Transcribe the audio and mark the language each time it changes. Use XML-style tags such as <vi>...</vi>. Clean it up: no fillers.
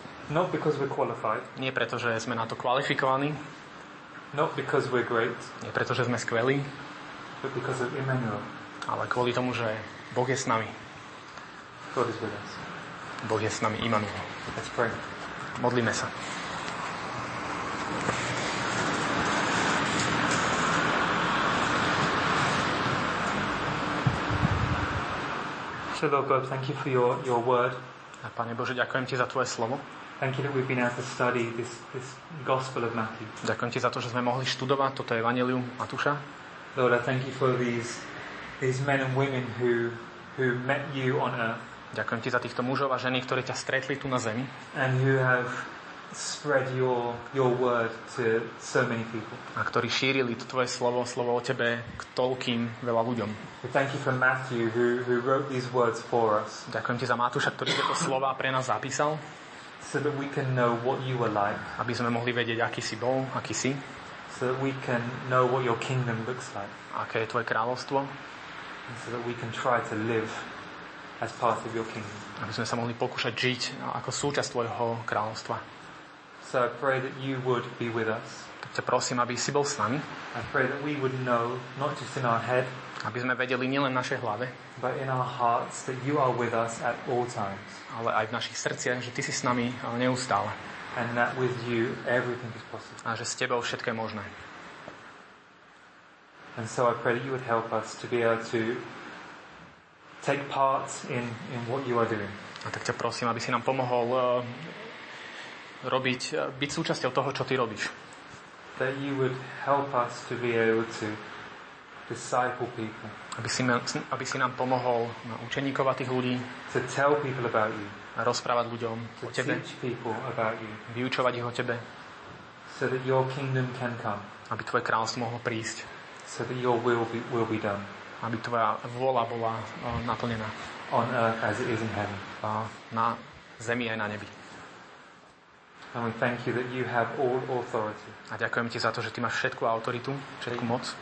<en>Not because we're qualified.</en> <sk>Nie pretože sme na to kvalifikovaní.</sk> <en>Not because we're great.</en> <sk>Nie pretože sme skvelí.</sk> <en>But because of Emmanuel.</en> <sk>Ale kvôli tomu, že Boh je s nami.</sk> <en>God is with us.</en> <sk>Boh je s nami, Emmanuel.</sk> <en>Let's pray.</en> <sk>Modlíme sa.</sk> <en>So Lord God, thank you for your word.</en> <sk>A Pane Bože, ďakujem ti za tvoje slovo.</sk> <en>Thank you that we've been able to study this gospel of Matthew.</en> <sk>Ďakujem ti za to, že sme mohli študovať toto evanjelium Matúša.</sk> <en>Lord, I thank you for these men and women who met you on earth.</en> <sk>Ďakujem ti za týchto mužov a ženy, ktorí ťa stretli tu na zemi.</sk> <en>And who have spread your word to so many people.</en> <sk>A ktorí šírili to tvoje slovo o tebe k toľkým veľa ľuďom.</sk> <en>Thank you for Matthew who wrote these words for us.</en> <sk>Ďakujem ti za Matúša, ktorý tieto slova pre nás zapísal.</sk> <en>So that we can know what you were like.</en> <sk>Aby sme mohli vedieť, aký si bol, aký si.</sk> <en>So that we can know what your kingdom looks like.</en> <sk>Aké je tvoje kráľovstvo.</sk> <en>And so that we can try to live as part of your kingdom.</en> <sk>Aby sme sa mohli pokúšať žiť ako súčasť tvojho kráľovstva.</sk> <en>So I pray that you would be with us.</en> <sk>Tak ťa prosím, aby si bol s nami.</sk> <en>I pray that we would know, not just in our head,</en> <sk>aby sme vedeli nielen v našej hlave,</sk> <en>but in our hearts that you are with us at all times.</en> <sk>Ale aj v našich srdciach, že ty si s nami neustále.</sk> <en>And that with you everything is possible.</en> <sk>A že s tebou všetko je možné.</sk> <en>And so I pray that you would help us to be able to take part in what you are doing.</en> <sk>A tak ťa prosím, aby si nám pomohol robiť, byť súčasťou toho, čo ty robíš.</sk> <en>That you would help us to be able to disciple people.</en> <sk>Aby si nám pomohol učeníkovať tých ľudí.</sk> <en>To tell people about you.</en> <sk>A rozprávať ľuďom to o tebe.</sk> <en>Teach people about you.</en> <sk>Vyučovať ich o tebe.</sk> <en>So that your kingdom can come.</en> <sk>Aby tvoje kráľstvo mohlo prísť.</sk> <en>So that your will be done.</en> <sk>Aby tvoja vôľa bola naplnená.</sk> <en>On earth as it is in heaven.</en> <sk>Na zemi aj na nebi.</sk> <en>And we thank you that you have all authority.</en> <sk>A ďakujem ti za to, že ty máš všetku autoritu, všetku moc.</sk>